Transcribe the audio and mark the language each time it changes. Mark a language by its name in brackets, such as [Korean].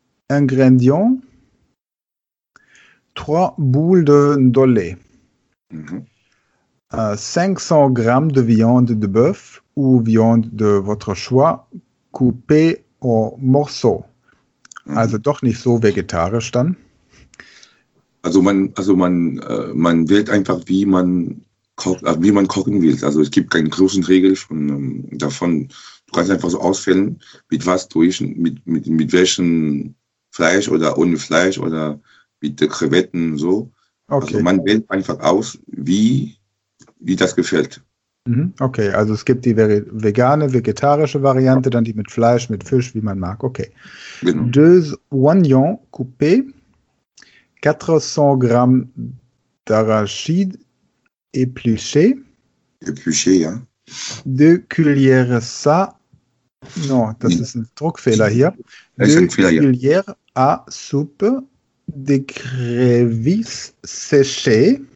[French] Ingrédients 3 boules de ndolé, 500 grammes de viande de bœuf ou viande de votre choix coupée en morceaux. [German] Also doch nicht so vegetarisch dann. Also man wählt einfach, wie man kochen will. Also es gibt keine großen Regeln davon. Du kannst einfach so auswählen, mit was tue ich, mit welchem Fleisch oder ohne Fleisch oder mit den Krevetten und so. Okay. Also man wählt einfach aus, wie das gefällt. Okay, also es gibt die vegane, vegetarische Variante, dann die mit Fleisch, mit Fisch, wie man mag. [French] Okay. [German] Genau. [French] Deux oignons coupés, [German] 400 Gramm [French] d'arachide épluché, [German] ja. [French] Deux cuillères ça. [German] Non, das ist ein Druckfehler hier. [French] Cuillères à soupe d'écrevisse séchée.